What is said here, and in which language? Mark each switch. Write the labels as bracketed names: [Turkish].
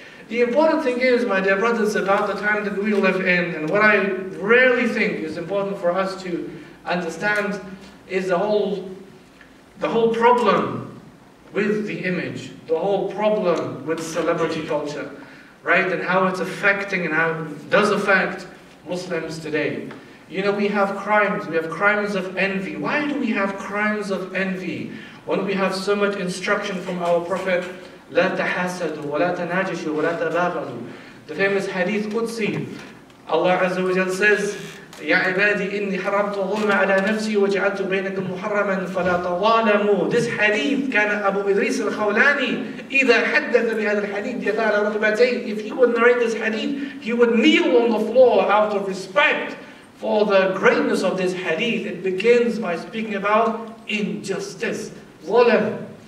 [English] The important thing is, my dear brothers, about the time that we live in, and what I really think is important for us to understand is the whole problem with the image, the whole problem with celebrity culture, right? And how it's affecting and how it does affect Muslims today. You know, we have crimes of envy. Why do we have crimes of envy when we have so much instruction from our Prophet? [Arabic] لا تحسدوا ولا تناجشوا ولا تباغضوا. [English] The famous hadith Qudsi, Allah Azza wa Jal says, [Arabic] يا عبادي إني حرمت الظلم على نفسي وجعلت بينكم محرما فلا تظالموا. [English] This hadith [Arabic] كان أبو إدريس الخولاني إذا حدث بهذا الحديث يتاه على ركبتين. [English] If he would narrate this hadith, he would kneel on the floor out of respect For the greatness of this hadith, it begins by speaking about injustice. Zulm.